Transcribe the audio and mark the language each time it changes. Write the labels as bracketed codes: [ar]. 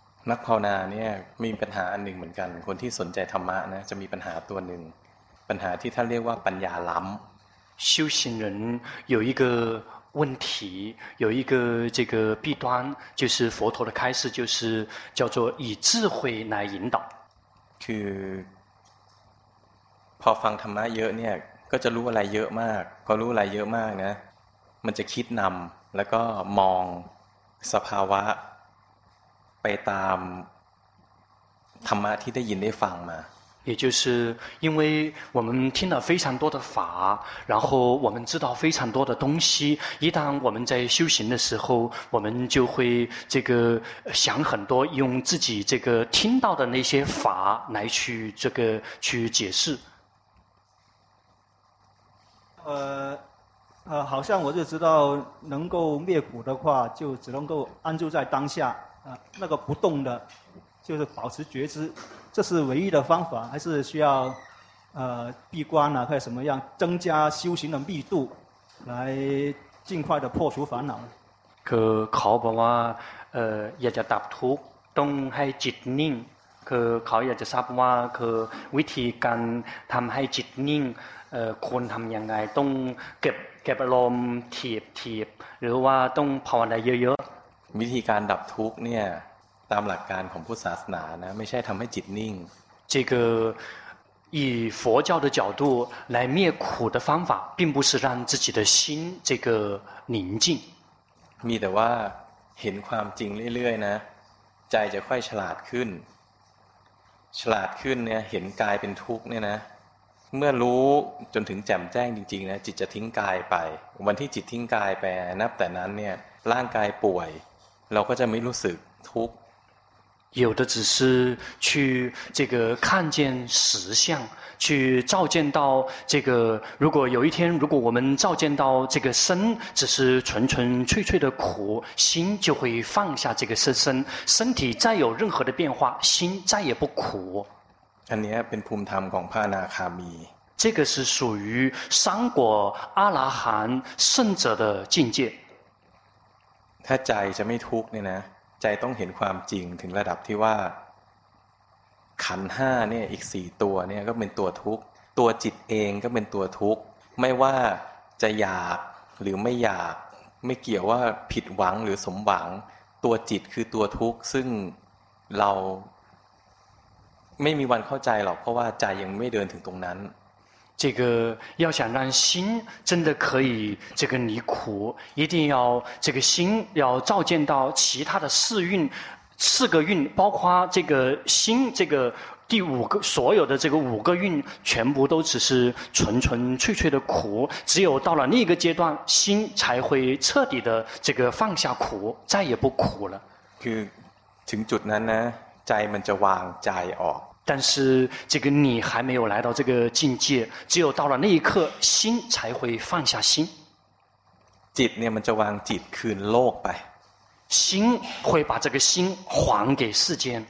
[th] นักภาวนาเนี่ยมีปัญหาอันหนึ่งเหมือนกันคนที่สนใจธรรมะนะจะมีปัญหาตัวหนึ่งปัญหาที่ท่านเรียกว่าปัญญาล้ำ [zh] 修行人有一个问题有一个这个弊端就是佛陀的开示就是叫做以智慧来引导 [th] คือพอฟังธรรมะเยอะเนี่ยก็จะรู้อะไรเยอะมากพอรู้อะไรเยอะมากนะมันจะคิดนำแล้วก็มองสภาวะไปตามธรรมะที่ได้ยินได้ฟังมา [zh] 也就是因为我们听了非常多的法，然后我们知道非常多的东西，一旦我们在修行的时候，我们就会这个想很多，用自己这个听到的那些法来去这个去解释。好像我就知道能够灭苦的话就只能够安住在当下，那个不动的就是保持觉知，这是唯一的方法，还是需要闭关啊，或者什么样增加修行的密度来尽快的破除烦恼？ [th] คือเขาบอกว่าอยากจะดับทุกข์ต้องให้จิตนิ่งคือเขาอยากจะทราบว่าคือวิธีการทำให้จิตนิ่งควรทำยังไงต้องเก็บอารมณ์ถีบหรือว่าต้องภาวนาเยอะ ๆวิธีการดับทุกข์เนี่ยตามหลักการของพุทธศาสนานะไม่ใช่ทำให้จิตนิ่ง [zh] 这个以佛教的角度来灭苦的方法并不是让自己的心这个宁静 [th] มีแต่ว่าเห็นความจริงเรื่อยๆนะใจจะค่อยฉลาดขึ้นฉลาดขึ้นเนี่ยเห็นกายเป็นทุกข์เนี่ยนะเมื่อรู้จนถึงแจ่มแจ้งจริงๆนะจิตจะทิ้งกายไปวันที่จิตทิ้งกายไปนับแต่นั้นเนี่ยร่างกายป่วยเราก็จะไม่รู้สึกทุกข์ [zh] 有的只是去这个看见实相去照见到这个，如果有一天，如果我们照见到这个身只是纯纯粹粹的苦，心就会放下这个身，身体再有任何的变化，心再也不苦。这个是 [th] ภูมิธรรมของพระอนาคามี。 [zh] 这个是属于三果阿拉含圣者的境界。 [th] ถ้าใจจะไม่ทุกข์เนี่ยนะใจต้องเห็นความจริงถึงระดับที่ว่าขันห้าเนี่ยอีกสี่ตัวเนี่ยก็เป็นตัวทุกข์ตัวจิตเองก็เป็นตัวทุกข์ไม่ว่าจะอยากหรือไม่อยากไม่เกี่ยวว่าผิดหวังหรือสมหวังตัวจิตคือตัวทุกข์ซึ่งเราไม่มีวันเข้าใจหรอกเพราะว่าใจยังไม่เดินถึงตรงนั้น [zh] 这个要想让心真的可以这个离苦一定要这个心要照见到其他的四蕴四个运包括这个心这个第五个所有的这个五个运全部都只是纯纯粹粹的苦只有到了那个阶段心才会彻底的这个放下苦再也不苦了 [th] คือถึงจุดนั้นนะใจมันจะวางใจออก [zh] 但是这个你还没有来到这个境界只有到了那一刻心才会放下心 [th] จิตเนี่ยมันจะวางจิตคืนโลกไป [zh] 心会把这个心还给世间